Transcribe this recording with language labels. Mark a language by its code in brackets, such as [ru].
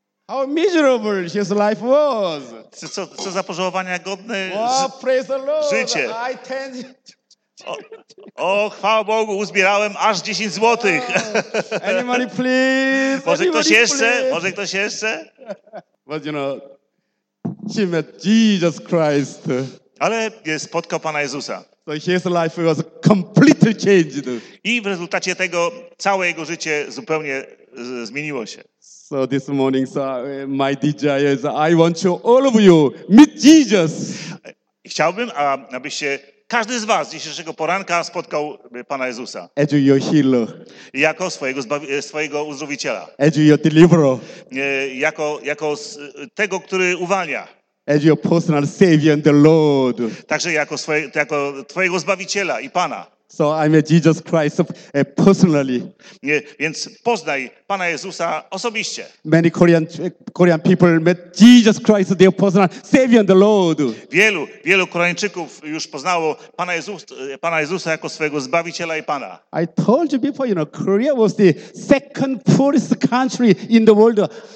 [en] How miserable his life was. [pl] Co za pożałowania godne [en] wow, praise the Lord. [pl] Życie. [en] I tend [pl] O, chwała Bogu, uzbierałem aż 10 złotych. [en] Anybody please? [pl] Może ktoś jeszcze? Może ktoś jeszcze? [en] But you know, she met Jesus Christ. [pl] Ale spotkał Pana Jezusa. [en] So his life was completely changed. [pl] I w rezultacie tego całe jego życie zupełnie zmieniło się. [en] So this morning, so my desire is I want you, all of you, meet Jesus. [pl] Chciałbym, abyście każdy z was dzisiejszego poranka spotkał Pana Jezusa. [en] As your healer. [pl] Jako swojego, swojego uzdrowiciela. [en] As your deliverer. [pl] Jako tego, który uwalnia. [en] As your personal savior and the Lord. [pl] Także jako twojego zbawiciela i Pana. [en] So I met Jesus Christ personally. [pl] Nie, więc poznaj Pana Jezusa osobiście. [en] Many Korean people met Jesus Christ their personal savior and the Lord. [pl] Wielu Koreańczyków już poznało Pana Jezusa jako swojego zbawiciela i Pana. [en] I told you before, you know, Korea was the second poorest country in the world.